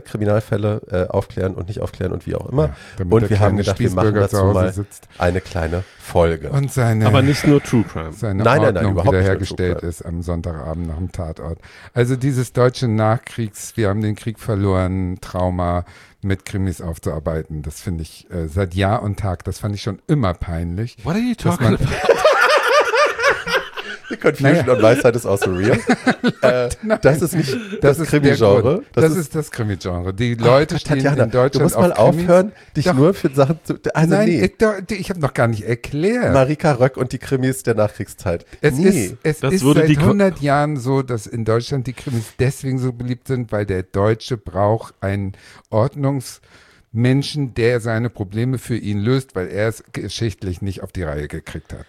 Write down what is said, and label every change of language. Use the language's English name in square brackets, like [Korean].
[German] Kriminalfälle aufklären und nicht aufklären und wie auch immer. Ja, und wir haben gedacht, wir machen dazu mal eine kleine Folge. Und seine, aber nicht nur True Crime. Seine Ordnung wiederhergestellt ist am Sonntagabend nach dem Tatort. Also dieses deutsche Nachkriegs, wir haben den Krieg verloren, Trauma mit Krimis aufzuarbeiten, das finde ich seit Jahr und Tag, das fand ich schon immer peinlich. [English] What are you talking about? Confusion on my side is also real. [German] Das ist nicht das Krimi-Genre. Das ist das Krimi-Genre. Die Leute stehen in Deutschland auf Krimis. Du musst mal aufhören, dich nur für Sachen zu... Ich habe noch gar nicht erklärt. Marika Röck und die Krimis der Nachkriegszeit. Es ist seit 100 Jahren so, dass in Deutschland die Krimis deswegen so beliebt sind, weil der Deutsche braucht einen Ordnungsmenschen, der seine Probleme für ihn löst, weil er es geschichtlich nicht auf die Reihe gekriegt hat.